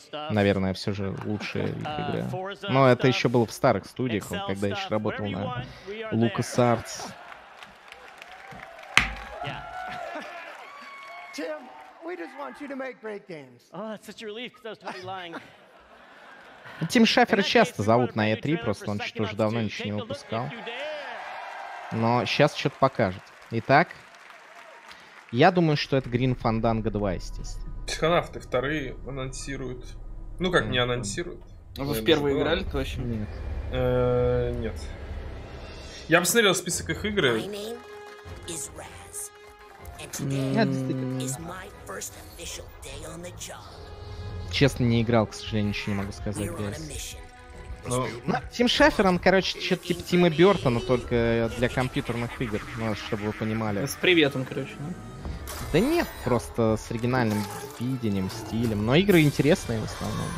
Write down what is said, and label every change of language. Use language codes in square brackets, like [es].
[ru] Наверное, все же лучшая их игра. Но это еще было в старых студиях, когда я еще работал на LucasArts. Тим! [en] We just want you to make great games. Oh, it's such a relief, because I was totally lying. [ru] Тим Шафера часто зовут на E3, просто он что-то уже давно ничего не выпускал. Но сейчас что-то покажет. Итак, я думаю, что это Green Fandango 2, естественно. Психонавты вторые анонсируют. Ну как, не анонсируют. А вы в первые играли, то вообще? Нет. Нет. Я посмотрел список их игр. [en] My name is Raz. And today is my first official day on the job. [ru] Честно, не играл, к сожалению, ничего не могу сказать. Ну, Тим Шафер, он, короче, что-то типа Тима Бёртона, только для компьютерных игр, ну, чтобы вы понимали. С приветом, короче. Ну? Да нет, просто с оригинальным видением, стилем. Но игры интересные в основном.